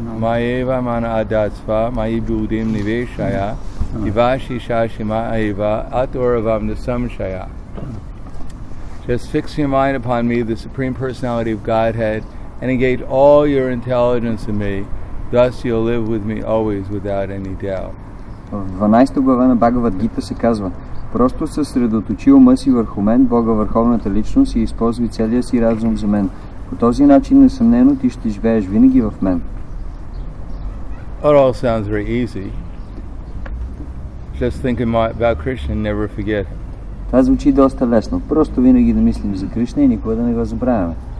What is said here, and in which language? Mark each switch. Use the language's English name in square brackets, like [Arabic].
[Sanskrit] maya yeva mana adatsva maya judim niveshaya Ivashi Shashima Aiva Atoravam Nasamshaya. [English] Just fix your mind upon me, the Supreme Personality of Godhead, and engage all your intelligence in me. Thus you'll live with me always without any doubt. [Bulgarian] 12-та глава на Бхагавад Гита се казва: просто съсредоточи ума си върху мен, Бога върховната личност, и използвай целия си разум за мен. По този начин несъмнено ти ще живееш винаги в мен. [English] It all sounds very easy. Just think about Krishna and never forget. [Bulgarian] Това звучи доста лесно. Просто винаги да мислим за Кришна и никога да не го забравяме.